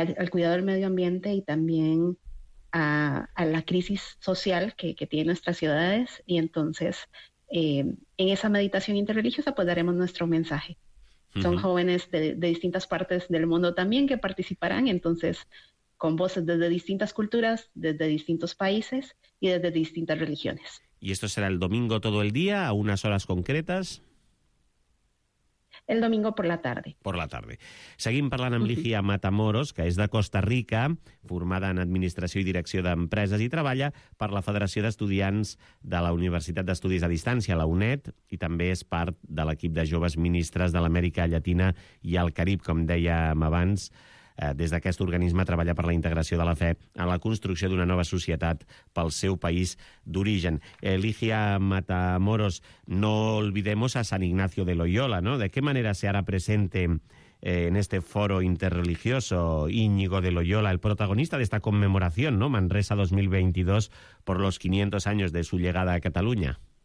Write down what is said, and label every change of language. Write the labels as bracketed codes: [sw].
[es] cuidado del medio ambiente y también a la crisis social que tienen nuestras ciudades, y entonces en esa meditación interreligiosa pues daremos nuestro mensaje. Son jóvenes de distintas partes del mundo también que participarán, entonces con voces desde distintas culturas, desde distintos países y desde distintas religiones. ¿Y esto será el domingo todo el día, a unas horas concretas? El domingo por la tarde. Por la tarde. [ca] Seguim parlant amb Ligia Matamoros, que és de Costa Rica, formada en Administració i Direcció d'Empreses i treballa per la Federació d'Estudiants de la Universitat d'Estudis a Distància, la UNED, i també és part de l'equip de joves ministres de l'Amèrica Llatina i el Carib, com dèiem abans. Des d'aquest organisme treballa per la integració de la fe en la construcció d'una nova societat pel seu país d'origen. [es] Ligia Matamoros, no olvidemos a San Ignacio de Loyola, ¿no? ¿De qué manera se hará presente en este foro interreligioso Íñigo de Loyola, el protagonista de esta conmemoración, ¿no?, Manresa 2022, por los 500 años de su llegada a Cataluña?